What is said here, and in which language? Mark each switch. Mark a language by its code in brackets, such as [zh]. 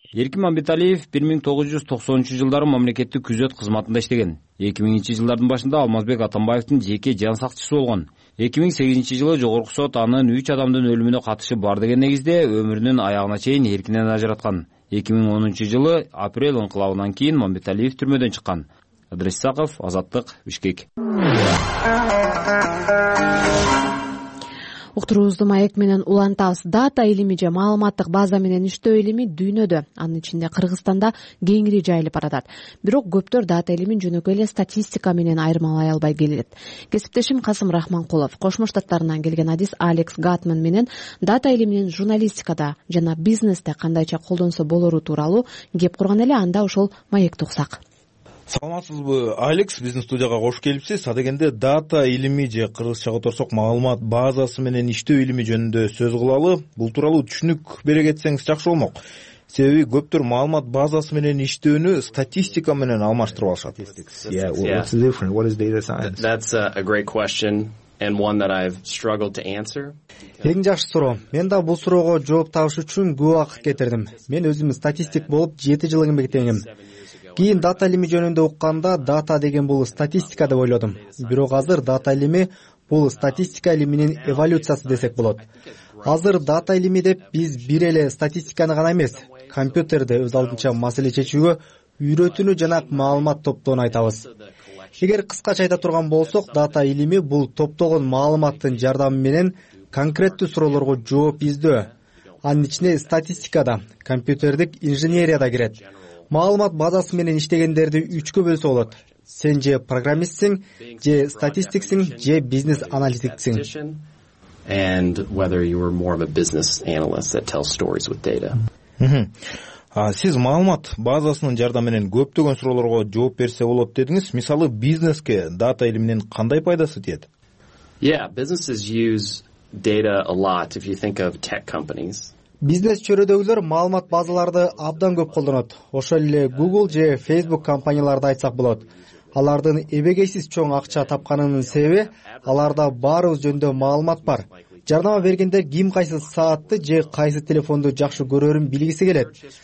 [ky] Эркин Мамбеталиев 1990-жылдары мамлекеттик күзөт кызматында иштеген. 2000-жылдардын башында Алмазбек Атамбаевдин жеке жан сакчысы болгон. 2008 жылы жогорку сот анын 3 адамдын өлүмүнө катышы бар деген негизде өмүрүнүн аягына чейин эркинен ажыраткан. 2010 жылы апрель инкылабынан кийин Мамбеталиев түрмөдөн чыккан. Адрес Саков, Азаттык, Бишкек. Уктуруубузду маек менен улантабыз. Дата илими же маалыматтык база менен иштөө илими дүйнөдө, анын ичинде Кыргызстанда кеңири жайылып баратат. Бирок көптөр дата илимин жөнөкөй эле статистика менен айырмалай албай келет. Кесиптешим Касым Рахманкулов, Кошмо Штаттарынан келген адис Алекс Гатман менен дата илиминин журналистикада жана бизнесте кандайча колдонсо болору тууралуу кеп курган эле анда ошол маекти уксак. Саламатсызбы Алекс, биздин студияга кош келипсиз. Адегенде дата илими же кыргызчага которсок маалымат базасы менен иштөө илими жөнүндө сөз кылалы. Бул тууралуу түшүнүк бере кетсеңиз жакшы болмок. Себеби көптөр маалымат базасы менен иштөөнү статистика менен алмаштырып алышат. [en] What's the difference? What is data science? That's a great question and one that I've struggled to answer. [ky] Эң жакшы суроо. Мен да бул суроого жооп табыш үчүн көп убакыт кетирдим. Мен өзүм статистик болуп 7 жыл эмгектенгем. Кийин дата илими жөнүндө укканда дата деген бул статистика деп ойлодум. Бирок азыр дата илими бул статистика илиминин эволюциясы десек болот. Азыр дата илими деп биз бир эле статистиканы гана эмес, компьютерде өз алдынча маселе чечүүгө үйрөтүүнү жана маалымат топтоону айтабыз. Эгер кыскача айта турган болсок, дата илими бул топтогон маалыматтын жардамы менен конкреттүү суроолорго жооп издөө. Анын ичине статистика да, компьютердик инженерия да кирет. Маалымат базасы менен иштегендерди үчкө бөлсө болот. Сен же программистсиң, же статистиксиң, же бизнес аналитиксиң. Сиз маалымат базасынын жардамы менен көптөгөн суроолорго жооп берсе болот дедиңиз. Мисалы, бизнеске дата илиминин кандай пайдасы тиет? [en] Businesses use data a lot if you think of tech companies. [ky] Бизнес чөйрөдөгүлөр маалымат базаларды абдан көп колдонот. Ошол эле Google же Facebook компанияларды айтсак болот. Алардын эбегейсиз чоң акча тапканынын себеби аларда баарыбыз жөнүндө маалымат бар. Жарнама бергенде ким кайсы саатты же кайсы телефонду жакшы көрөрүн билгиси келет.